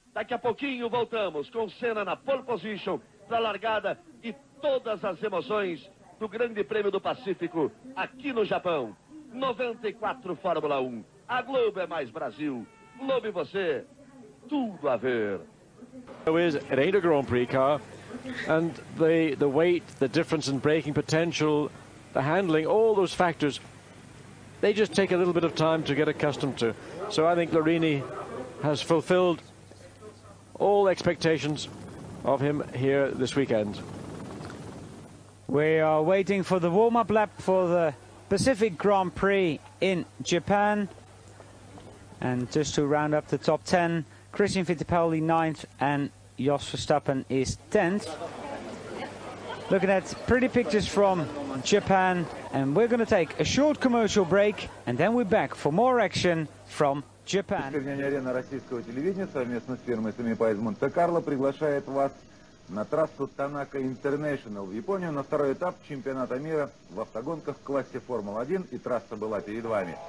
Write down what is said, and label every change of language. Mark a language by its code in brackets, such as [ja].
[pt] Daqui a pouquinho voltamos com Senna na pole position para a largada e todas as emoções do Grande Prêmio do Pacífico aqui no Japão. 94 Fórmula 1, a Globo é mais Brasil, Globo e você, tudo a ver. [en] It ain't a Grand Prix car, and the weight, the difference in braking potential, the handling, all those factors, they just take a little bit of time to get accustomed to. So I think Lorini has fulfilled all expectations of him here this weekend. We are waiting for the warm-up lap for the Pacific Grand Prix in Japan. And just to round up the top 10, Christian Fittipaldi 9th and Jos Verstappen is 10th. Looking at pretty pictures from Japan, and we're going to take a short commercial break and then we're back for more action from Japan. [ru] Арена российского телевидения совместно с фирмой Sumipa из Монте-Карло приглашает вас на трассу Танака International в Японию на второй этап чемпионата мира в автогонках в классе Формула-1, и трасса была перед вами.